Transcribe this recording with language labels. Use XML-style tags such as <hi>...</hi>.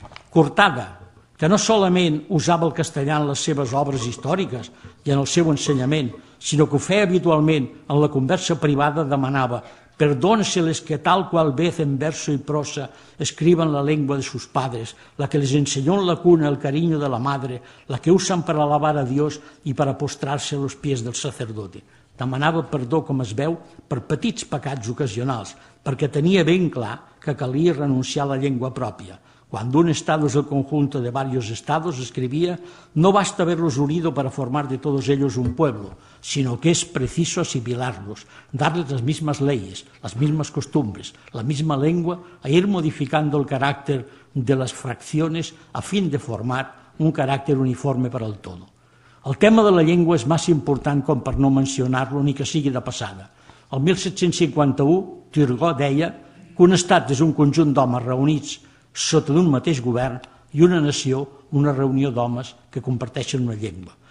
<ca>Cortada, que no solament usava el castellà en les seves obres històriques i en el seu ensenyament, sinó que ho feia habitualment en la conversa privada, demanava</ca> <es>«Perdón si les que tal qual vez en verso y prosa escriben la lengua de sus padres, la que les enseñó en la cuna el cariño de la madre, la que usan para alabar a Dios y para postrarse a los pies del sacerdote».</es> <ca>Demanava perdó, com es veu, per petits pecats ocasionals, perquè tenia ben clar que calia renunciar a la llengua pròpia.</ca> <es>Quan un estado es el conjunto de varios estados,</es> <ca>escrivia,</ca> <es>no basta haberlos unido para formar de todos ellos un pueblo, sino que es preciso asimilarlos, darles las mismas leyes, las mismas costumbres, la misma lengua, e ir modificando el carácter de las fracciones a fin de formar un carácter uniforme para el todo.</es> <ca>El tema de la llengua és massa important com per no mencionar-lo ni que sigui de passada. El 1751, Turgot deia que un estat és un conjunt d'homes reunits sota d'un mateix govern i una nació, una reunió d'homes que comparteixen una llengua.</ca>